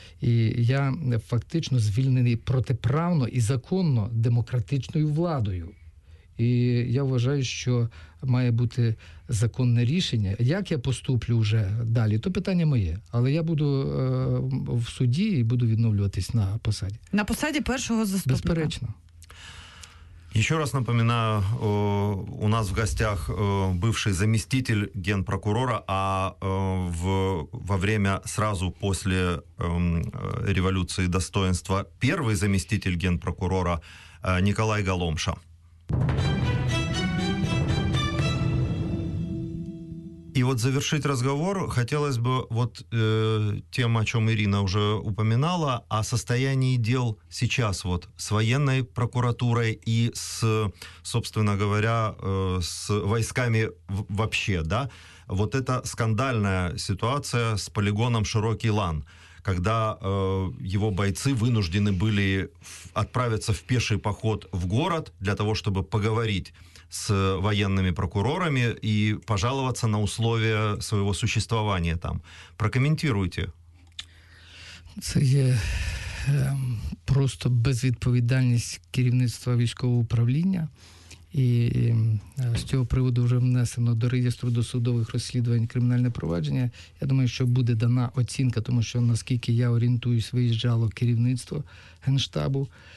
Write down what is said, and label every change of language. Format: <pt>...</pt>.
<uk>І я фактично звільнений протиправно і законно демократичною владою. І я вважаю, що має бути законне рішення. Як я поступлю вже далі, то питання моє. Але я буду в суді і буду відновлюватись на посаді. На посаді першого заступника. Безперечно.</uk> <ru>Еще раз напоминаю, у нас в гостях бывший заместитель генпрокурора, а во время, сразу после революции достоинства, первый заместитель генпрокурора Николай Галомша. И вот завершить разговор хотелось бы вот тем, о чем Ирина уже упоминала, о состоянии дел сейчас вот с военной прокуратурой и с, собственно говоря, с войсками вообще, да? Вот эта скандальная ситуация с полигоном «Широкий Лан», когда его бойцы вынуждены были отправиться в пеший поход в город для того, чтобы поговорить с военными прокурорами и пожаловаться на условия своего существования там. Прокомментируйте.</ru> <uk>Це є просто безвідповідальність керівництва військового управління. І з цього приводу вже внесено до реєстру досудових розслідувань кримінальне провадження. Я думаю, що буде дана оцінка, тому що, наскільки я орієнтуюсь, виїжджало керівництво Генштабу.</uk>